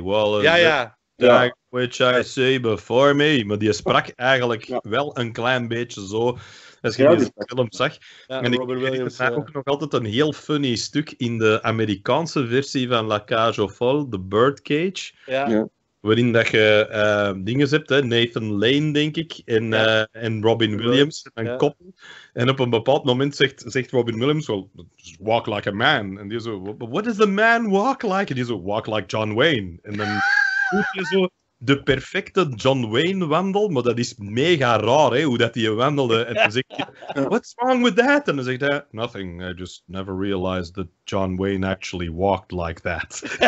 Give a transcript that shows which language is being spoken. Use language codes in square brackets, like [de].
[en] Well, which I see before me. [nl] Maar die sprak eigenlijk wel een klein beetje zo. Als je die film zag. Ja, en Robert Williams. Er ook nog altijd een heel funny stuk in de Amerikaanse versie van La Cage aux Folles, The Birdcage. Ja. waarin dat je dingen hebt, hè, Nathan Lane, denk ik, en Robin Williams, een koppel. En op een bepaald moment zegt Robin Williams, [en] well, walk like a man. [nl] En die zo, [en] what does the man walk like? En die zo, walk like John Wayne. [nl] En dan voelt je zo de perfecte John Wayne wandel, maar dat is mega raar, hè, hoe dat hij wandelde. En dan zegt hij, [en] what's wrong with that? [nl] En dan zegt hij, [en] nothing, I just never realized that John Wayne actually walked like that.